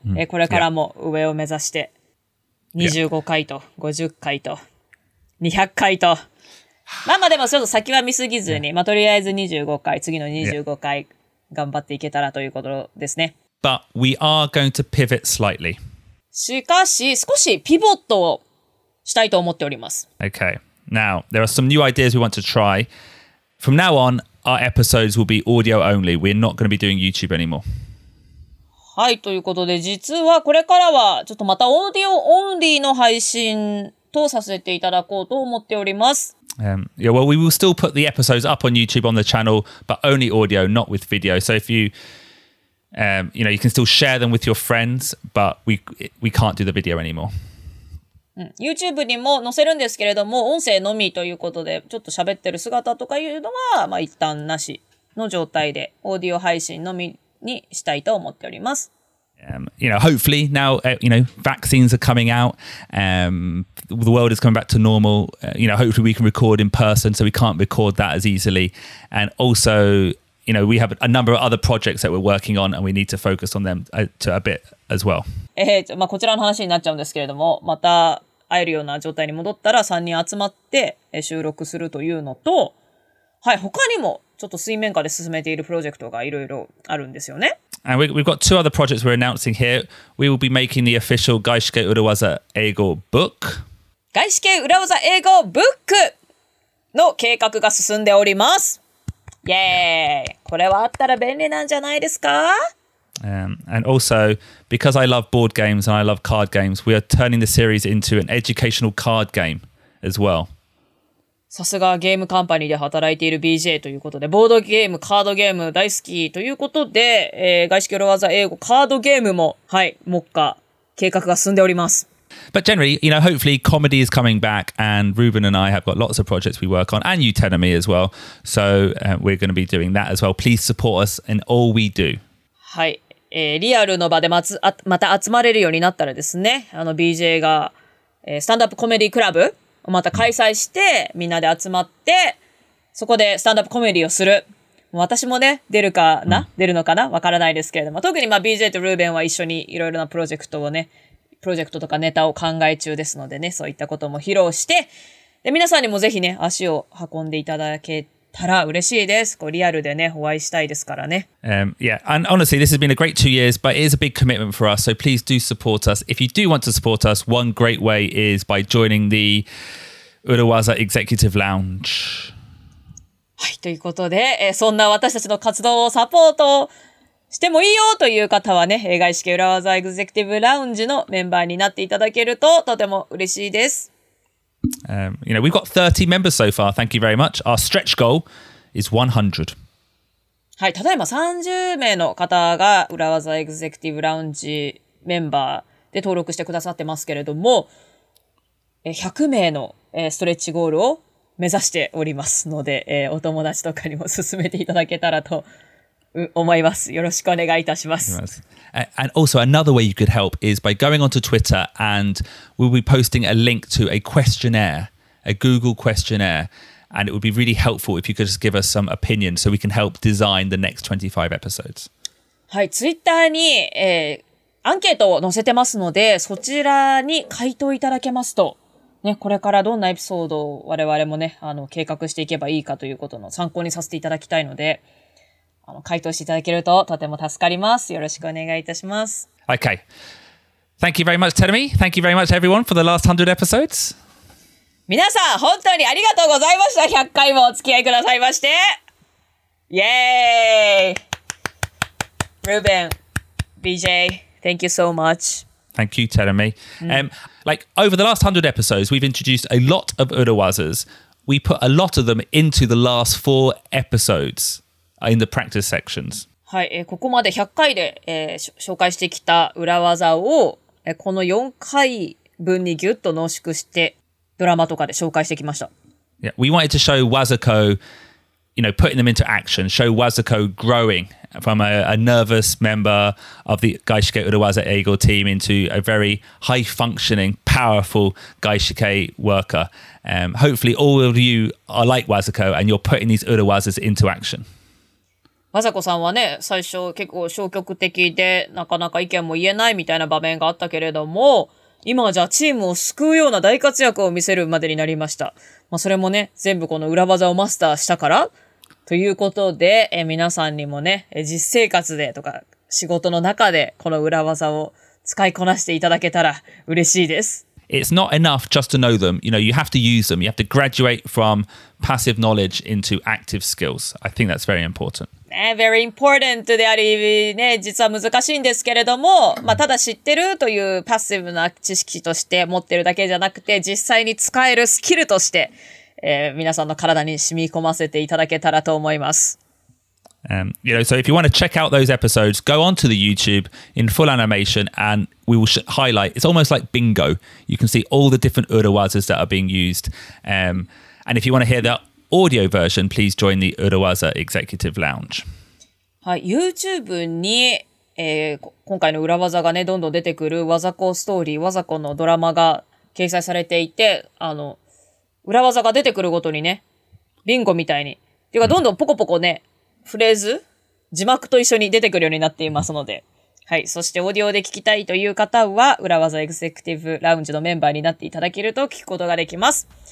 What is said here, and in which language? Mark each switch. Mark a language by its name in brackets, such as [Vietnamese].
[Japanese] え、これからも上を目指して25回と50回と200回と。まあまあでもちょっと先は見すぎずに、まあとりあえず25回、次の25回頑張っていけたらということですね。 [English] But we are going to pivot slightly. [Japanese] しかし少しピボットをしたいと思っております。 [English] Okay. Now, there are some new ideas we want to try. From now on, our episodes will be audio only. We're not going to be doing YouTube anymore. [Japanese] はい、ということで実はこれからはちょっとまたオーディオオンリーの配信とさせていただこうと思っております。 [English] Yeah, well, we will still put the episodes up on YouTube on the channel, but only audio, not with video. So if you, you know, you can still share them with your friends, but we can't do the video anymore. [Japanese] YouTube にも載せるんですけれども、音声のみということで、ちょっと喋ってる姿とかいうのは、まあ一旦なしの状態で、オーディオ配信のみ。にしたいと思っております。 [English] You know, hopefully now, you know, vaccines are coming out. The world is coming back to normal. You know, hopefully we can record in person, so we can't record that as easily. And also, you know, we have a number of other projects that we're working on, and we need to focus on them to a bit as well. [Japanese] まあこちらの話になっちゃうんですけれども、また会えるような状態に戻ったら3人集まって収録するというのと、はい、他にも。ちょっと水面下で進めているプロジェクトがいろいろあるんですよね。 [English] And we've got two other projects we're announcing here. We will be making the official 外資系裏技英語 book. [Japanese] 外資系裏技英語 book の計画が進んでおります。イエーイ！これはあったら便利なんじゃないですか？ [English] And also, because I love board games and I love card games, we are turning the series into an educational card game as well. [Japanese] さすがゲームカンパニーで働いている BJ ということで、ボードゲーム、カードゲーム大好きということで、外資系裏技英語カードゲームも、はい、目下、計画が進んでおります。 [English] But generally, you know, hopefully comedy is coming back and Ruben and I have got lots of projects we work on and Utenomy as well. So, we're going to be doing that as well. Please support us in all we do. [Japanese] はい、リアルの場でまた集まれるようになったらですね、あの BJ が、スタンドアップコメディクラブまた開催してみんなで集まってそこでスタンドアップコメディをする。もう私もね出るかな、うん、出るのかなわからないですけれども、特にまあ BJ とルーベンは一緒にいろいろなプロジェクトをね、プロジェクトとかネタを考え中ですのでね、そういったことも披露して、で皆さんにもぜひね足を運んでいただけたら嬉しいです。こうリアルでねお会いしたいですからね。 [English] Yeah, and honestly this has been a great 2 years, but it is a big commitment for us, so please do support us. If you do want to support us, one great way is by joining the Urawaza Executive Lounge. [Japanese] はい、ということで、そんな私たちの活動をサポートしてもいいよという方はね、外資系Urawaza Executive Lounge のメンバーになっていただけるととても嬉しいです。 [English] You know, we've got 30 members so far. Thank you very much. Our stretch goal is 100. [Japanese] はい、ただいま30名の方が裏技エグゼクティブラウンジメンバーで登録してくださってますけれども、100名のストレッチゴールを目指しておりますので、お友達とかにも進めていただけたらと思います。よろしくお願いいたします。 [English] And also another way you could help is by going onto Twitter and we'll be posting a link to a questionnaire, a Google questionnaire, and it would be really helpful if you could just give us some opinion so we can help design the next 25 episodes. [Japanese] はい、Twitter に、アンケートを載せてますので、そちらに回答いただけますと、ね、これからどんなエピソードを我々もね、計画していけばいいかということの参考にさせていただきたいので、回答していただけるととても助かります。よろしくお願いいたします。 [English] Okay. Thank you very much, Telemi. Thank you very much, everyone, for the last 100 episodes. [Japanese] 皆さん、本当にありがとうございました。100回もお付き合いくださいまして。 [English] イェーイ !Ruben, BJ, thank you so much. Thank you, Telemi.、Like, over the last 100 episodes, we've introduced a lot of Urawazas. We put a lot of them into the last 4 episodes. In the practice sections. [Japanese] はい、ここまで100回で、紹介してきた裏技を、この4回分にギュッと濃縮してドラマとかで紹介してきました。 [English] Yeah, we wanted to show Wazuko, you know, putting them into action, show Wazuko growing from a nervous member of the Gaishike Urawaza Eigo team into a very high functioning, powerful Gaishike worker. Hopefully all of you are like Wazuko and you're putting these Urawazas into action. [Japanese] わざこさんはね、最初結構消極的で、なかなか意見も言えないみたいな場面があったけれども、今はじゃあチームを救うような大活躍を見せるまでになりました。まあそれもね、全部この裏技をマスターしたから、ということで、皆さんにもね、実生活でとか、仕事の中でこの裏技を使いこなしていただけたら嬉しいです。 [English] It's not enough just to know them. You know, you have to use them. You have to graduate from passive knowledge into active skills. I think that's very important. Very important [Japanese] であり、ね、実は難しいんですけれども、まあ、ただ知ってるというパッシブな知識として持ってるだけじゃなくて、実際に使えるスキルとして、皆さんの体に染み込ませていただけたらと思います。 [English] You know, so if you want to check out those episodes, go onto the YouTube in full animation and we will highlight. It's almost like bingo. You can see all the different urawazas that are being used. And if you want to hear the audio version, please join the Urawaza Executive Lounge. [Japanese] はい、YouTube に、今回の裏技がね、どんどん出てくる和ざこストーリー、和ざこのドラマが掲載されていて、あの、裏技が出てくるごとにね、ビンゴみたいに。っていうか、どんどんポコポコね、フレーズ字幕と一緒に出てくるようになっていますので、はい、そしてオーディオで聞きたいという方は裏技エグゼクティブラウンジのメンバーになっていただけると聞くことができます。